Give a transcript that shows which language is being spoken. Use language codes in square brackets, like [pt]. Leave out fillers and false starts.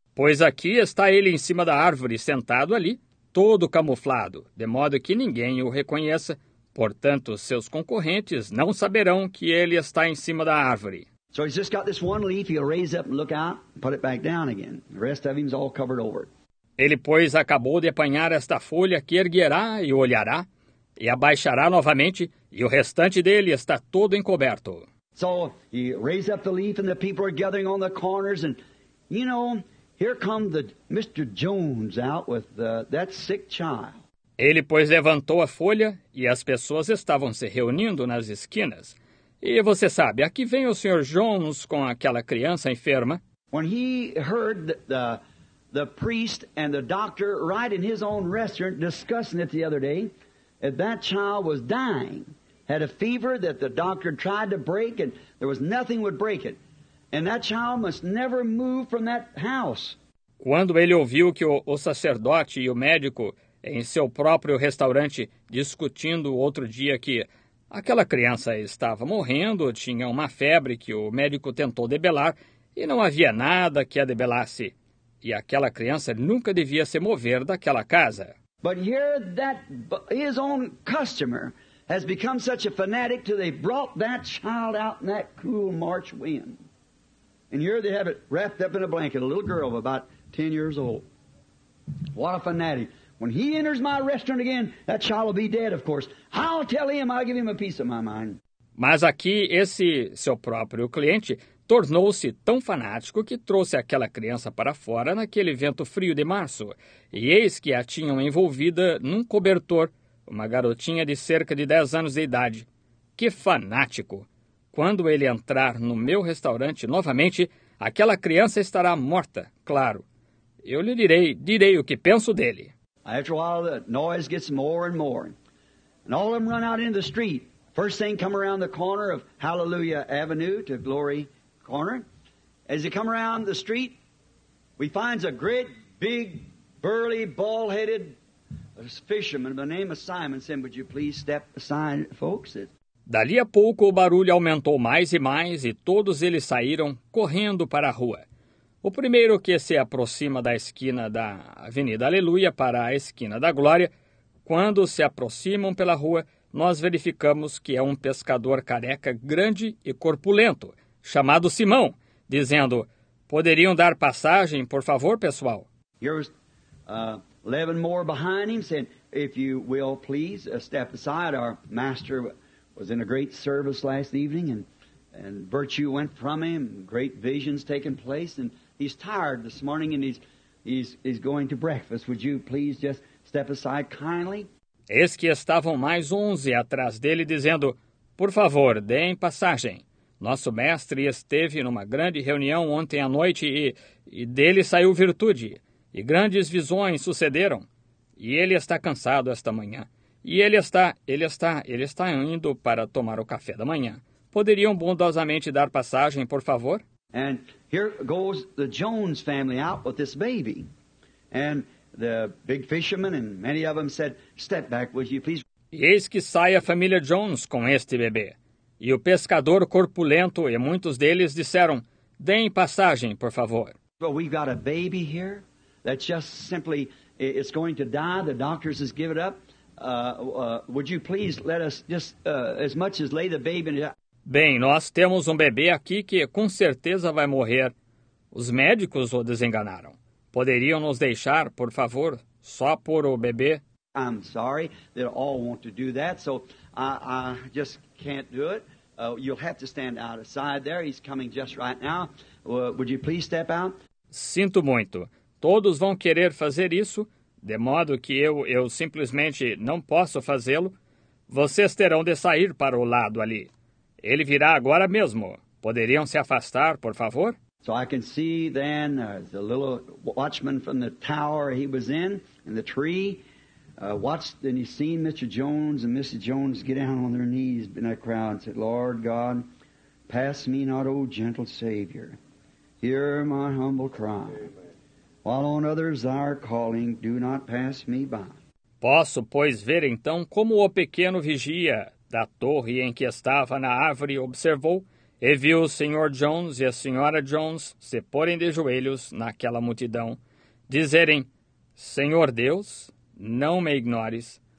[pt] Pois aqui está ele em cima da árvore, sentado ali, todo camuflado, de modo que ninguém o reconheça. Portanto, seus concorrentes não saberão que ele está em cima da árvore. [en] So he's just got this one leaf, he'll raise up and look out, put it back down again. The rest of him's all covered over. [pt] Ele, pois, acabou de apanhar esta folha que erguerá e olhará, e abaixará novamente, e o restante dele está todo encoberto. [en] So he raised up the leaf and the people are gathering on the corners and, you know, here come the Mr. Jones out with the, that sick child. [pt] Ele, pois, levantou a folha e as pessoas estavam se reunindo nas esquinas. E você sabe, aqui vem o Sr. Jones com aquela criança enferma. [en] When he heard the priest and the doctor right in his own restaurant discussing it the other day, that child was dying, had a fever that the doctor tried to break and there was nothing would break it. And that child must never move from that house. [pt] Quando ele ouviu que o sacerdote e o médico em seu próprio restaurante discutindo outro dia que aquela criança estava morrendo, tinha uma febre que o médico tentou debelar e não havia nada que a debelasse. E aquela criança nunca devia se mover daquela casa. [en] But here that his own customer has become such a fanatic till they brought that child out in that cool March wind. And here they have it wrapped up in a blanket, a little girl of about 10 years old. What a fanatic. When he enters my restaurant again, that child will be dead, of course. I'll tell him, I'll give him a piece of my mind. [pt] Mas aqui esse seu próprio cliente tornou-se tão fanático que trouxe aquela criança para fora naquele vento frio de março. E eis que a tinham envolvida num cobertor, uma garotinha de cerca de 10 anos de idade. Que fanático! Quando ele entrar no meu restaurante novamente, aquela criança estará morta, claro. Eu lhe direi o que penso dele. [en] After a while, the noise gets more and more. And all of them run out into the street. First thing come around the corner of Hallelujah Avenue to Glory Corner. As you come around the street, we find a great, big, burly, bald-headed fisherman by the name of Simon. Said, would you please step aside, folks? [pt] Dali a pouco, o barulho aumentou mais e mais e todos eles saíram correndo para a rua. O primeiro que se aproxima da esquina da Avenida Aleluia para a esquina da Glória, quando se aproximam pela rua, nós verificamos que é um pescador careca grande e corpulento, chamado Simão, dizendo, poderiam dar passagem, por favor, pessoal? [en] Here's 11 more behind him, saying, if you will please step aside. Our master was in a great service last evening, and virtue went from him, great visions taking place, and he's tired this morning, and he's going to breakfast. Would you please just step aside kindly? [pt] Eis que estavam mais 11 atrás dele, dizendo, por favor, deem passagem. Nosso mestre esteve numa grande reunião ontem à noite e dele saiu virtude. E grandes visões sucederam. E ele está cansado esta manhã. E ele está indo para tomar o café da manhã. Poderiam bondosamente dar passagem, por favor? [en] And here goes the Jones family out with this baby. And the big fisherman and many of them said, step back, would you please? [pt] E eis que sai a família Jones com este bebê. E o pescador corpulento e muitos deles disseram, deem passagem, por favor. [en] Well, we've got a baby here that just simply is going to die. The doctors has given up. Would you please let us just as much as lay the baby in. [pt] Bem, nós temos um bebê aqui que com certeza vai morrer. Os médicos o desenganaram. Poderiam nos deixar, por favor, só por o bebê? [en] I'm sorry, they all want to do that, so I just can't do it. You'll have to stand outside there, he's coming just right now. Would you please step out? [pt] Sinto muito. Todos vão querer fazer isso, de modo que eu simplesmente não posso fazê-lo. Vocês terão de sair para o lado ali. Ele virá agora mesmo. Poderiam se afastar, por favor? [en] So I can see then the little watchman from the tower he was in the tree, watched, and he seen Mr. Jones and Mrs. Jones get down on their knees in that crowd and said, "Lord God, pass me not, O gentle Savior. Hear my humble cry. While on others are calling, do not pass me by." [pt] Posso, pois, ver então como o pequeno vigia da torre em que estava na árvore observou e viu o Sr. Jones e a Sra. Jones se porem de joelhos naquela multidão, dizerem, "Senhor Deus, não me ignores.